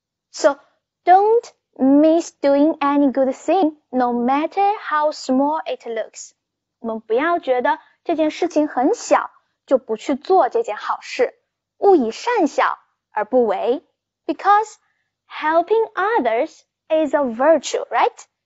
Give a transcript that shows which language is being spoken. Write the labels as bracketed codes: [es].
[en] So don't miss doing any good thing, no matter how small it looks. [zh] 我们不要觉得这件事情很小，就不去做这件好事。勿以善小而不为， [en] because helping others is a virtue, right?